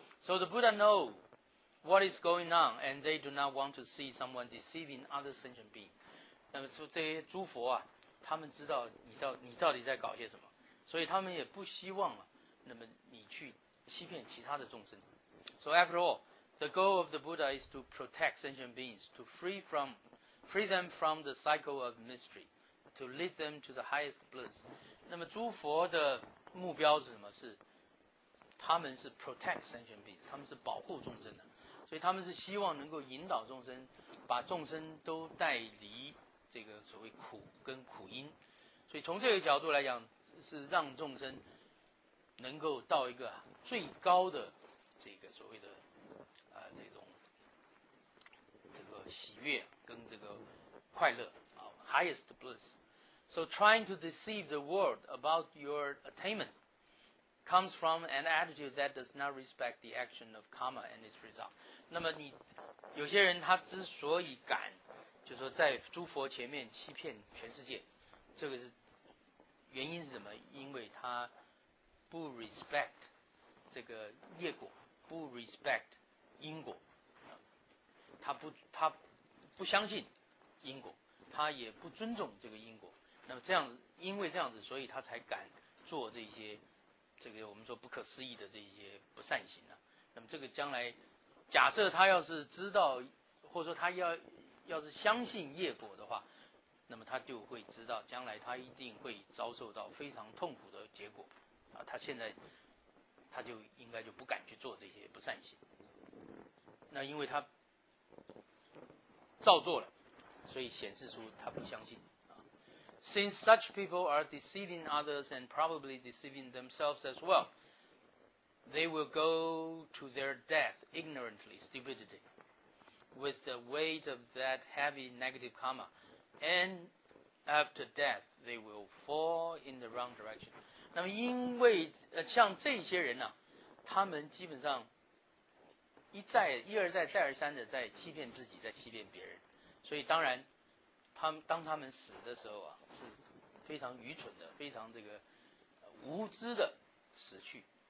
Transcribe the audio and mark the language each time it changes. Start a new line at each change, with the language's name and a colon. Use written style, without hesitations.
English: So the Buddha know what is going on, and they do not want to see someone deceiving other sentient beings。
Chinese: 那么这些诸佛啊，他们知道你到底在搞些什么，所以他们也不希望啊，那么你去欺骗其他的众生。
English: So after all, the goal of the Buddha is to protect sentient beings, to free them from the cycle of mystery, to lead them to the highest bliss。
Chinese: 那么诸佛的目标是什么？是他们是
English: protect sentient beings，
Chinese: 他们是保护众生的，所以他们是希望能够引导众生，把众生都带离这个所谓苦跟苦因。所以从这个角度来讲，是让众生能够到一个最高的这个所谓的这种这个喜悦跟这个快乐啊 ，
English: highest bliss。 So trying to deceive the world about your attainment comes from an attitude that does not respect the action of karma and its result。
Chinese: 那么你有些人他之所以敢，就是说在诸佛前面欺骗全世界，这个是原因是什么？因为他不 respect 这个业果，不 respect 因果，他不相信因果，他也不尊重这个因果。那么这样，因为这样子，所以他才敢做这些这个我们说不可思议的这些不善行啊。那么这个将来，假设他要是知道，或者说他要是相信业果的话，那么他就会知道将来他一定会遭受到非常痛苦的结果啊，他现在他就应该就不敢去做这些不善行。那因为他照做了，所以显示出他不相信啊。
English: Since such people are deceiving others and probably deceiving themselves as well, they will go to their death ignorantly, stupidly。 with the weight of that heavy negative karma. And after death, they will fall in the wrong direction.
Chinese: 那么因为像这些人呢、啊、他们基本上一再一而再再而三的在欺骗自己在欺骗别人。所以当然他们当他们死的时候啊是非常愚蠢的非常这个无知的死去。